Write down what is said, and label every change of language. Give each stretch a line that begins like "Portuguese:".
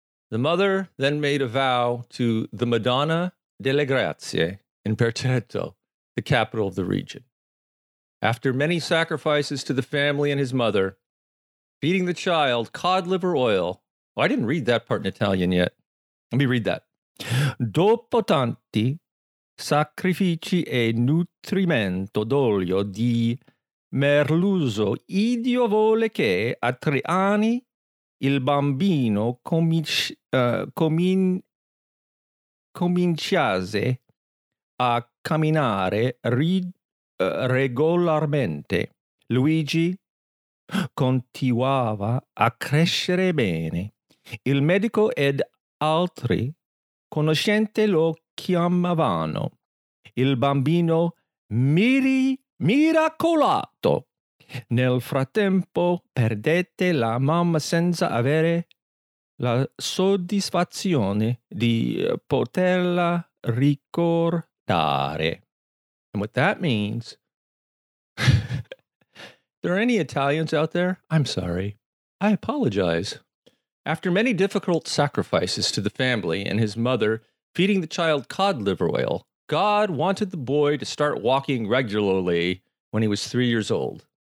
English: The mother then made a vow to the Madonna delle Grazie in Berceto, the capital of the region. After many sacrifices to the family and his mother, feeding the child cod liver oil. Oh, I didn't read that part in Italian yet. Let me read that.
Italian: Dopo tanti sacrifici e nutrimento d'olio di Merluso, idio vuole che a 3 anni il bambino cominciasse a camminare regolarmente. Luigi continuava a crescere bene. Il medico ed altri conoscenti lo chiamavano il bambino miracolato. Nel frattempo perdette la mamma senza avere la soddisfazione di poterla ricordare.
English: And what that means, there are any Italians out there? I'm sorry. I apologize. After many difficult sacrifices to the family and his mother, feeding the child cod liver oil, God wanted the boy to start walking regularly when he was 3 years old.